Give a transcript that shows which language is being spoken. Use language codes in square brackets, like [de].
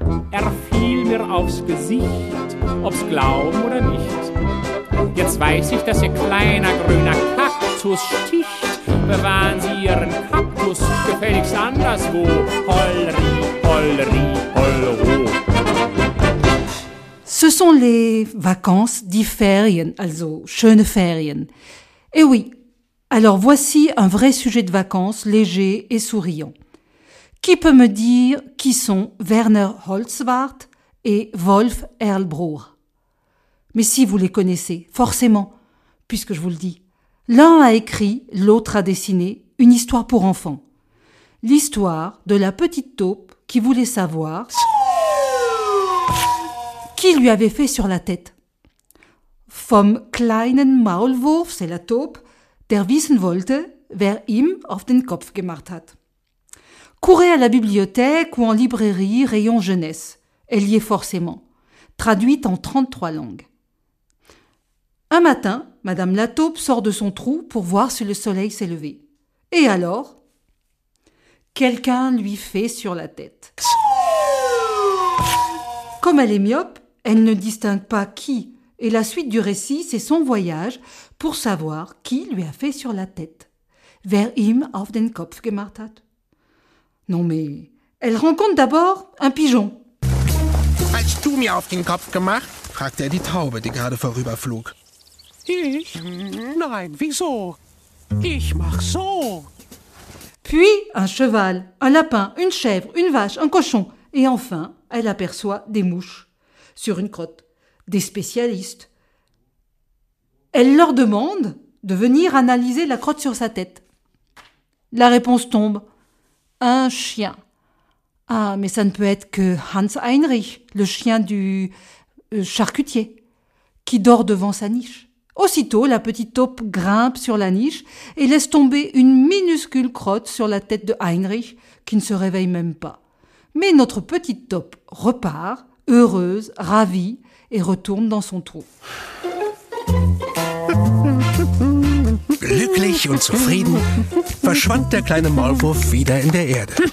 [de] Er fiel mir aufs Gesicht, ob's glauben oder nicht. Jetzt weiß ich, dass Ihr kleiner grüner Kaktus sticht. Bewahren Sie Ihren Kaktus gefälligst anderswo. Holri, holri, hollero. [fr] Ce sont les vacances, [de] die Ferien, also schöne Ferien. [fr] Eh oui, alors voici un vrai sujet de vacances, léger et souriant. Qui peut me dire qui sont Werner Holzwarth et Wolf Erlbruch? Mais si, vous les connaissez, forcément, puisque je vous le dis. L'un a écrit, l'autre a dessiné, une histoire pour enfants. L'histoire de la petite taupe qui voulait savoir qui lui avait fait sur la tête. [de] Vom kleinen Maulwurf, [fr] c'est la taupe, [de] der wissen wollte, wer ihm auf den Kopf gemacht hat. [fr] Courez à la bibliothèque ou en librairie, rayon jeunesse. Elle y est forcément. Traduite en 33 langues. Un matin, Madame La Taupe sort de son trou pour voir si le soleil s'est levé. Et alors, quelqu'un lui fait sur la tête. Comme elle est myope, elle ne distingue pas qui. Et la suite du récit, c'est son voyage pour savoir qui lui a fait sur la tête. [de] Wer ihm auf den Kopf gemacht hat. [fr] Non mais, elle rencontre d'abord un pigeon. [de] Hast du mir auf den Kopf gemacht? Fragte die Taube, die gerade vorüberflog. Ich? Nein, wieso? Ich mach so. [fr] Puis un cheval, un lapin, une chèvre, une vache, un cochon. Et enfin, elle aperçoit des mouches sur une crotte. Des spécialistes. Elle leur demande de venir analyser la crotte sur sa tête. La réponse tombe. Un chien. Ah, mais ça ne peut être que Hans Heinrich, le chien du charcutier, qui dort devant sa niche. Aussitôt, la petite taupe grimpe sur la niche et laisse tomber une minuscule crotte sur la tête de Heinrich, qui ne se réveille même pas. Mais notre petite taupe repart, heureuse, ravie, et retourne dans son trou. [de] Glücklich und zufrieden verschwand der kleine Maulwurf wieder in der Erde.